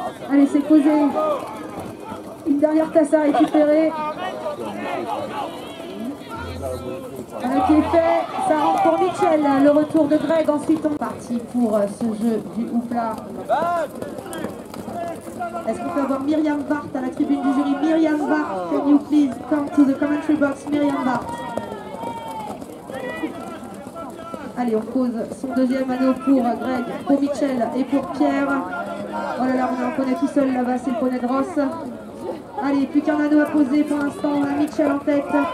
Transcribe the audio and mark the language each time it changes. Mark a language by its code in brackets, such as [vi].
[fr] Allez, c'est posé. Une dernière tasse à récupérer. Voilà qui est fait. Ça rentre pour Mitchell. Le retour de Greg. Ensuite, on est parti pour ce jeu du Oupla. Est-ce qu'on peut avoir Myriam Bart à la tribune du jury? [en] Myriam Bart, can you please come to the commentary box? Myriam Bart. [fr] Allez, on pose son deuxième anneau pour Greg, pour Mitchell et pour Pierre. Oh là là, on a un poney tout seul là-bas, c'est le poney de Ross. Allez, plus qu'un anneau à poser pour l'instant, on a Mitchell en tête.